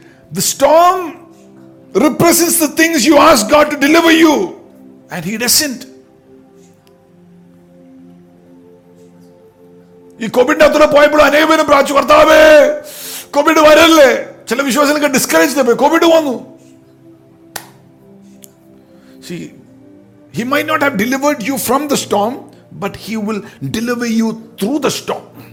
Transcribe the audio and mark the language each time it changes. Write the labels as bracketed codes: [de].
[en] The storm represents the things you ask God to deliver you and he doesn't. [ml] ഈ Covid അത്ര പോയപ്പോഴും അനേകം പ്രാർത്ഥിച്ചു, കർത്താവേ കോവിഡ് വരല്ലേ. ചില വിശ്വാസികളൊക്കെ ഡിസ്കറേജ് ചെയ്തു പോയി, കോവിഡ് വന്നു. [en] See, he might not have delivered you from the storm, but he will deliver you through the storm.